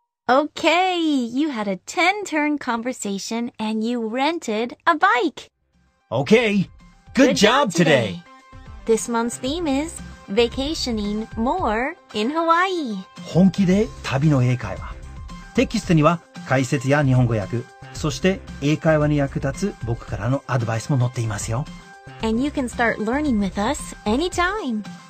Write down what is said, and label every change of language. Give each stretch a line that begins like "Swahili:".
English: Okay, you had a 10-turn conversation and you rented a bike. Okay, good job today. This month's theme is vacationing more in Hawaii.
Japanese: 本気で旅の英会話。テキストには解説や日本語訳、そして英会話に役立つ僕からのアドバイスも載っていますよ。
English: And you can start learning with us anytime.